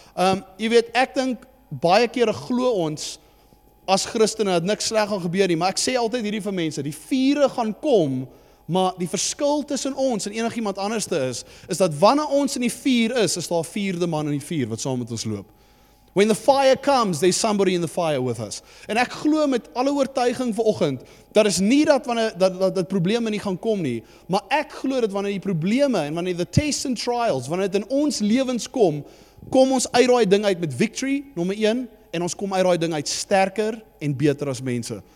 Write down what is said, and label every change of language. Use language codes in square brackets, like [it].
[af] Jy weet, ek dink baie kere glo ons as Christene dat niks sleg gaan gebeur nie, maar ek sê altyd hierdie vir mense, die vure gaan kom. Maar die verskil tussen ons en enigiemand anderste is dat wanneer ons in die vuur is, is daar 'n vierde man in die vuur wat saam met ons loop. [en] When the fire comes, there's somebody in the fire with us. [af] En ek glo met alle oortuiging vanoggend, dat is nie dat wanneer dat probleme nie gaan kom nie, maar ek glo dat wanneer die probleme en wanneer [en] the tests and trials, [af] wanneer dit in ons lewens kom, kom ons uit daai ding uit met victory, nommer 1, en ons kom uit daai ding uit sterker en beter as mense.